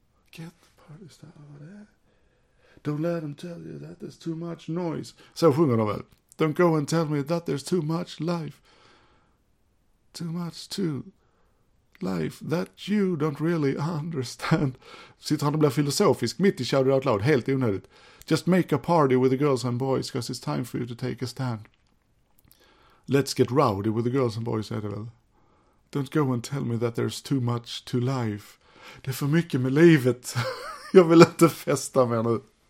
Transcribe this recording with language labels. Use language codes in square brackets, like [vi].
[en] Get the party started. Don't let them tell you that there's too much noise. [sv] Så sjunger de väl. [en] Don't go and tell me that there's too much life. Too much to life that you don't really understand. [sv] Sitter han och blir filosofisk mitt i Shout It Out Loud. Helt onödigt. [en] Just make a party with the girls and boys because it's time for you to take a stand. Let's get rowdy with the girls and boys. Don't go and tell me that there's too much to life. [sv] Det är för mycket med livet. Jag vill inte festa mer nu.